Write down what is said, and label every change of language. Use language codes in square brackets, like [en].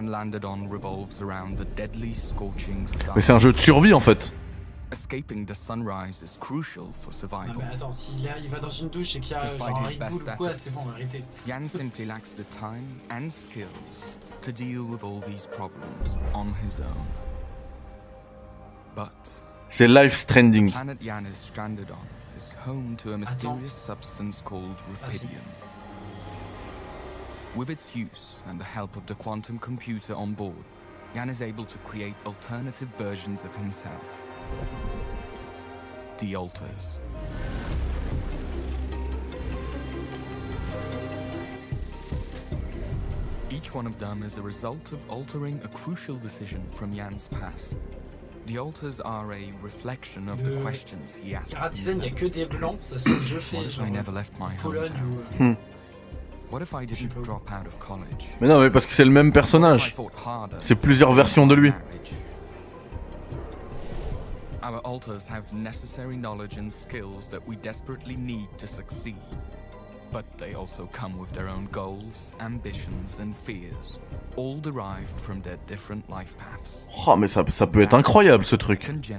[fr] Mais c'est un jeu de survie en fait. [en] Escaping the sunrise is crucial for survival. [fr] Non mais attends, s'il a, il va dans une douche et qu'il y a genre un Red Bull ou quoi, c'est bon, arrêtez. [en] Yann simply lacks the time and skills to deal with all these problems on his own. [fr] But c'est Life Stranding. Attends. [en] With its use and the help of the quantum computer on board, Yann is able to create alternative versions of himself. The Alters. Each one of them is the result of altering a crucial decision from Yann's past. The Alters are a reflection of the questions he asks. [fr] Le Karadizen, il n'y a que des blancs, ça c'est ce que je fais, genre Pologne ou... [en] What if I didn't drop out of college? [fr] Mais non, mais parce que c'est le même personnage. C'est plusieurs versions de lui. [en] Our alters have the necessary knowledge and skills that we desperately need to succeed. But they also come with their own goals, ambitions and fears, all derived from their different life paths. [fr] Oh, mais ça peut être incroyable ce truc.